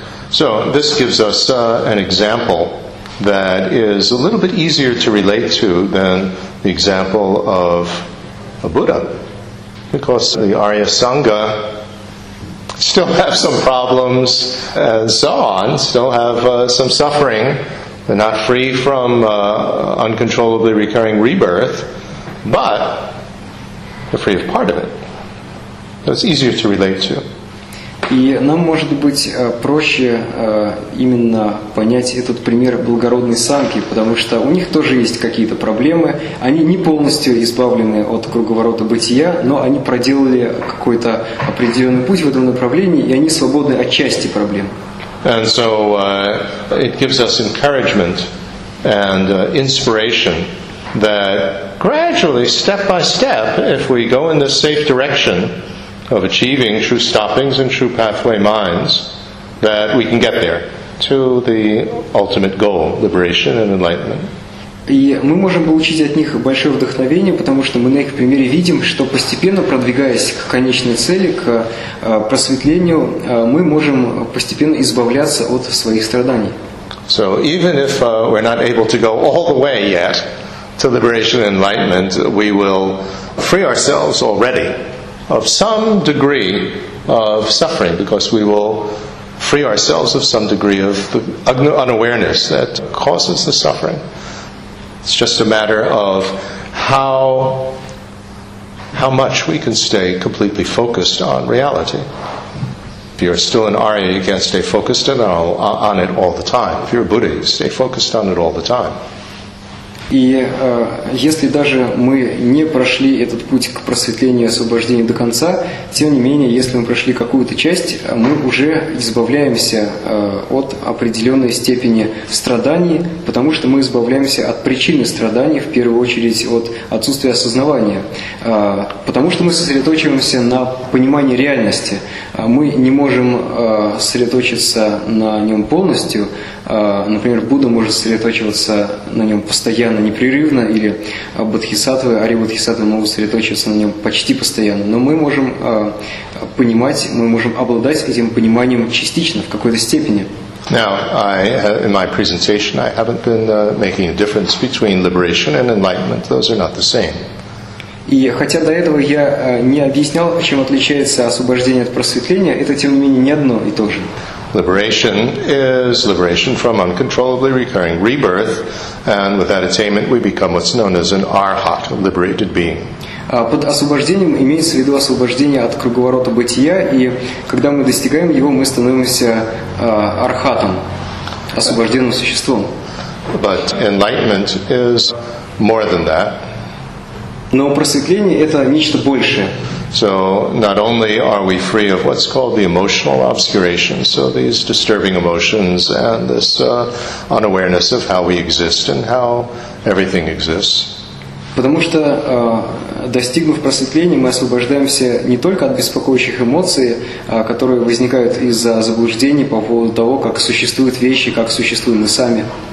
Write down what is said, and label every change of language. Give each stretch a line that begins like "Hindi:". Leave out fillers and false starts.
English: So, this gives us an example that is a little bit easier to relate to than the example of a Buddha, because the Arya Sangha still have some problems and so on, still have some suffering. They're not free from uncontrollably recurring rebirth, but they're free of part of it. So it's easier to relate to.
Russian: И нам, может быть, проще именно понять этот пример благородной Санги, потому что у них тоже есть какие-то проблемы. Они не полностью избавлены от круговорота бытия, но они проделали какой-то определенный путь в этом направлении, и они свободны от части проблем.
English: And so it gives us encouragement and inspiration that gradually, step by step, if we go in this safe direction, of achieving true stoppings and true pathway minds, that we can get there to the ultimate goal, liberation and enlightenment.
Russian: И мы можем получить от них большое вдохновение, потому что мы на их примере видим, что постепенно продвигаясь к конечной цели, к просветлению, мы можем постепенно избавляться от своих страданий.
English: So even if we're not able to go all the way yet to liberation and enlightenment, we will free ourselves already of some degree of suffering, because we will free ourselves of some degree of the unawareness that causes the suffering. It's just a matter of how much we can stay completely focused on reality. If you're still an Arya, you can't stay focused on it all the time. If you're a Buddha, you stay focused on it all the time.
Russian: И если даже мы не прошли этот путь к просветлению и освобождению до конца, тем не менее, если мы прошли какую-то часть, мы уже избавляемся от определенной степени страданий, потому что мы избавляемся от причины страданий, в первую очередь от отсутствия осознавания. Потому что мы сосредоточиваемся на понимании реальности. Мы не можем сосредоточиться на нем полностью. Например, Будда может сосредоточиваться на нем постоянно, непрерывно, или бодхисаттвы, ари-бодхисаттвы могут сосредоточиться на нем почти постоянно, но мы можем понимать, мы можем обладать этим пониманием частично, в какой-то степени.
English: Now, in my presentation, I haven't been making a difference between liberation and enlightenment. Those are not the same.
Russian: И хотя до этого я не объяснял, чем отличается освобождение от просветления, это, тем не менее, не одно и то же.
English: Liberation is liberation from uncontrollably recurring rebirth, and with that attainment we become what's known as an arhat, a liberated being.
Russian: Под освобождением имеется в виду освобождение от круговорота бытия, и когда мы достигаем его, мы становимся архатом, освобожденным существом.
English: But enlightenment is more than that.
Russian: Но просветление — это нечто большее.
English: So not only are we free of what's called the emotional obscuration, so these disturbing emotions and this unawareness of how we exist and how everything exists.
Russian: Потому что достигнув просветления, мы освобождаемся не только от беспокоящих эмоций, которые возникают из-за заблуждений по поводу того, как существуют вещи, как существуем мы сами.